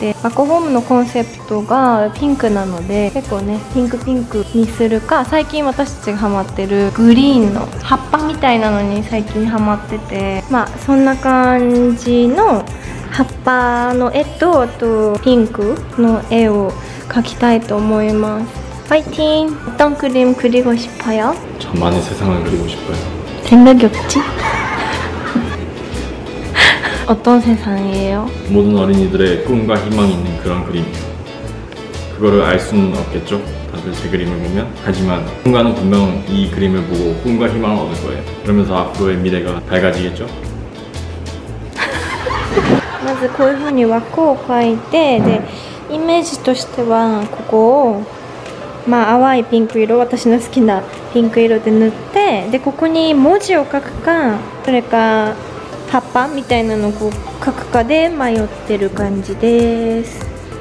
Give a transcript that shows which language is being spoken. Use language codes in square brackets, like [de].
[ja] でバックホームのコンセプトがピンクなので、結構ねピンクピンクにするか、最近私たちがハマってるグリーンの葉っぱみたいなのに最近ハマってて、まあそんな感じの葉っぱの絵と、あとピンクの絵を描きたいと思います。ファイティン。 [ko] 어떤그림그리고싶어요? 정말세상을그리고싶어요. 생각이없지? 어떤세상이에요? 모든어린이들의꿈과희망이있는그런그림이에요. 그거를알수는없겠죠? 다들제그림을보면? 하지만누군가는분명이그림을보고꿈과희망을얻을거예요. 그러면서앞으로의미래가밝아지겠죠? 먼저 [ja] こういうふうに枠を描いて、で、イメージとしてはここをまあ、淡いピンク色、私の好きなピンク色で塗って、でここに文字を書くか、それか葉っぱみたいなのを書くかで迷ってる感じです。